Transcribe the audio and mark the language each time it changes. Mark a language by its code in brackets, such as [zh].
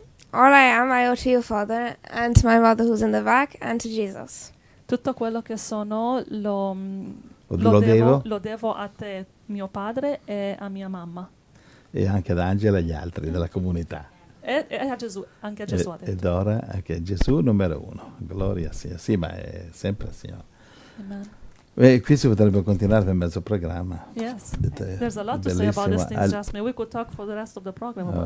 [en] All I am, I owe to you, Father, and to my mother who's in the back, and to Jesus. [it] Tutto quello che sono lo devo a te, mio padre, e a mia mamma. E anche ad Angela e gli altri della comunità. E a Gesù, anche a Gesù ha detto. Ed ora anche Gesù numero uno. Gloria al Signore. Sì, ma è sempre il Signore. Amen. Qui si potrebbe continuare per mezzo programma. [en] Yes, there's a lot to [it] bellissimo. [en] Say about this thing, Jasmine. We could talk for the rest of the program about